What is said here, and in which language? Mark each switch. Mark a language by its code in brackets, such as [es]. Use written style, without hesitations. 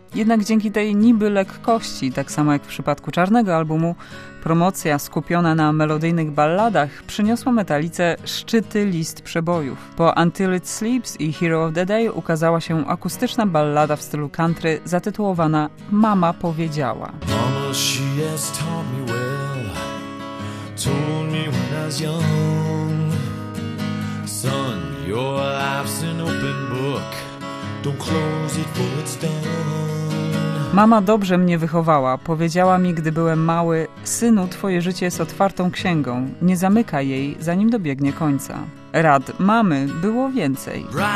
[pl] Jednak dzięki tej niby lekkości, tak samo jak w przypadku czarnego albumu, promocja skupiona na melodyjnych balladach przyniosła Metallice szczyty list przebojów. Po Until It Sleeps i Hero of the Day ukazała się akustyczna ballada w stylu country zatytułowana Mama powiedziała. [en] Mama, she has taught me well, told me when I was young. Son, your life's an open book, don't close it till it's done. [pl] Mama dobrze mnie wychowała, powiedziała mi, gdy byłem mały, synu, twoje życie jest otwartą księgą, nie zamykaj jej, zanim dobiegnie końca. Rad mamy było więcej.